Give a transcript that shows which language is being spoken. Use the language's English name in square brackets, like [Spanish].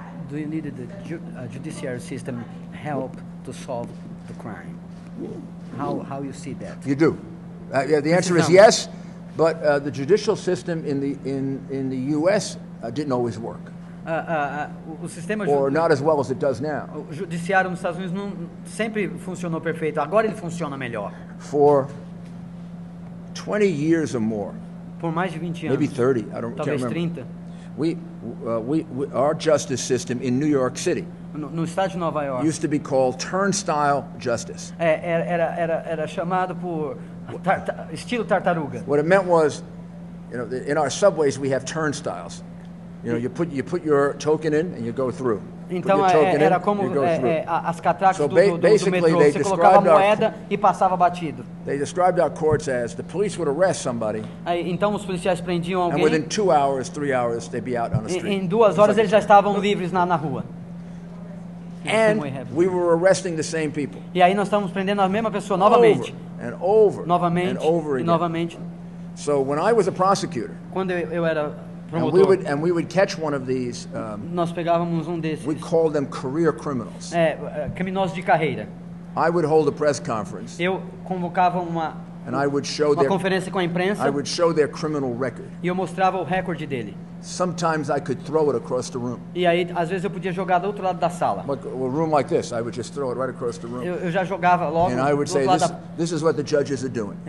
[English] Do you need the judiciary system help to solve the crime? How you see that? You do. The answer is yes, but the judicial system in the U.S. Didn't always work. Or not as well as it does now. [Portuguese] O judiciário nos Estados Unidos não sempre funcionou perfeito. Agora ele funciona melhor. [English] For 20 years or more. [Portuguese] Por mais de 20 anos. [English] Maybe 30. I don't [Portuguese] talvez [English] remember. 30. We our justice system in New York City. [Portuguese] No estado de Nova York. [English] Used to be called turnstile justice. [Portuguese] Era chamado por estilo tartaruga. [English] What it meant was, you know, in our subways we have turnstiles. You know, you put your token in and you go through. [Portuguese] Então era como as catracas do metrô. Você colocava a moeda e passava batido. [English] They described our courts as the police would arrest somebody. [Portuguese] Então os policiais prendiam alguém. [English] And within 2 hours, 3 hours, they'd be out on the street. [Portuguese] Em 2 horas eles já estavam livres na rua. [English] And we were arresting the same people. [Portuguese] E aí nós estávamos prendendo a mesma pessoa novamente. [English] And over. [Portuguese] Novamente. [English] And over again. [Portuguese] E novamente. [English] So when I was a prosecutor. [Portuguese] Quando eu era [English] And we would catch one of these. [Portuguese] Nós pegávamos desses. [English] We call them career criminals. [Portuguese] Criminosos de carreira. [English] I would hold a press conference. [Portuguese] Eu convocava [English] And I would show [Portuguese] uma conferência com a imprensa. [English] I would show their criminal record. [Portuguese] E eu mostrava o recorde dele. [English] Sometimes I could throw it across the room. [Portuguese] E aí, às vezes eu podia jogar do outro lado da sala. [English] A room like this, I would just throw it right across the room. [Portuguese] Eu já jogava logo. [English] And I would say, this is what the judges are doing.